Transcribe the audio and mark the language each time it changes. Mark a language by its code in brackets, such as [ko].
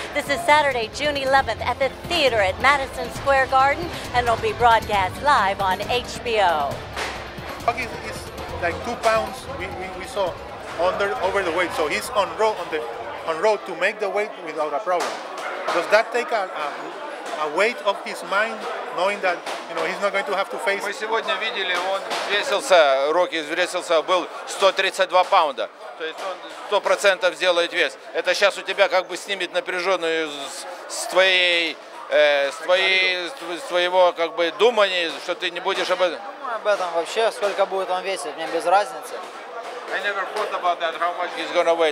[en] This is Saturday, June 11th at the theater at Madison Square Garden, and it'll be broadcast live on HBO. Rocky is like 2 pounds, we saw, over the weight, so he's on road to make the weight without a problem. Does that take a weight off his mind, knowing that he's not going to have to face? [ru] Мы сегодня видели, он взвесился, Рокки взвесился, был 132 паунда. То есть он 100% сделает вес. Это сейчас у тебя как бы снимет напряженную с твоего как бы думания, что ты не будешь об этом. Я не думаю об этом вообще, сколько будет он весить, мне без разницы. [en] I never thought about that, how much he's gonna weigh.